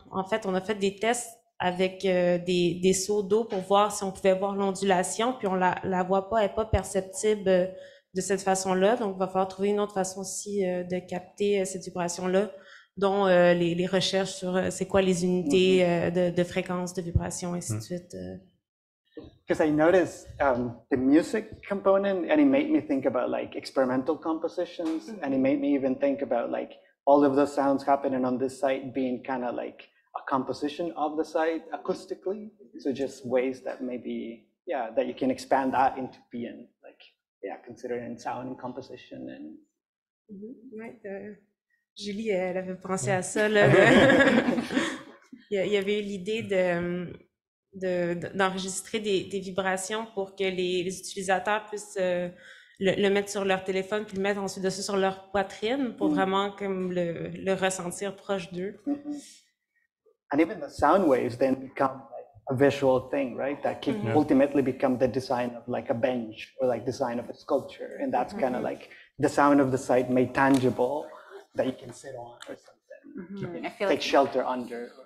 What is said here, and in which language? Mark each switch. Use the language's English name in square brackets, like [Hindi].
[French] En fait, on a fait des tests avec des seaux d'eau pour voir si on pouvait voir l'ondulation, puis on la voit pas, elle est pas perceptible de cette façon-là. Donc, il va falloir trouver une autre façon aussi de capter cette vibration-là, dont les recherches sur c'est quoi les unités de fréquence, de vibration, et ainsi de suite. [English] Because I noticed the music component, and it made me think about like experimental compositions, and it made me even think about like all of those sounds happening on this site being kind of like a composition of the site acoustically. So just ways that maybe, yeah, that you can expand that into being like, yeah, considering sound and composition and... [French] Mm-hmm. [English] Right there. [French] Julie, elle avait pensé à ça, là. Il y avait eu l'idée d'enregistrer des vibrations pour que les utilisateurs puissent le mettre sur leur téléphone, puis le mettre ensuite de ça sur leur poitrine pour vraiment comme le ressentir proche d'eux. Mm-hmm. [English] And even the sound waves then become like a visual thing, right? That can ultimately become the design of like a bench or like design of a sculpture. And that's kind of like the sound of the site made tangible. That you can sit on or something, I feel take like shelter under.